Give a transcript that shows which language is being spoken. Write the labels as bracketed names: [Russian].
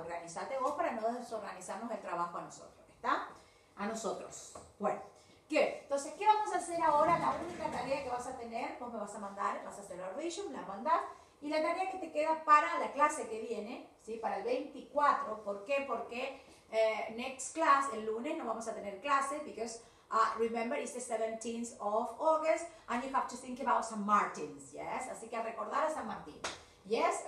[Spanish] Organizate vos para no desorganizarnos el trabajo a nosotros, ¿está? A nosotros. Bueno, ¿qué? Entonces, ¿qué vamos a hacer ahora? La única tarea que vas a tener, vos me vas a mandar, vas a hacer la revisión, la mandás. Y la tarea que te queda para la clase que viene, ¿sí? Para el 24, ¿por qué? [English] Porque next class, [Spanish] el lunes, no vamos a tener clase, [English] because, remember, it's the 17th of August, and you have to think about San Martín, ¿yes? [Spanish] Así que a recordar a San Martín, ¿yes?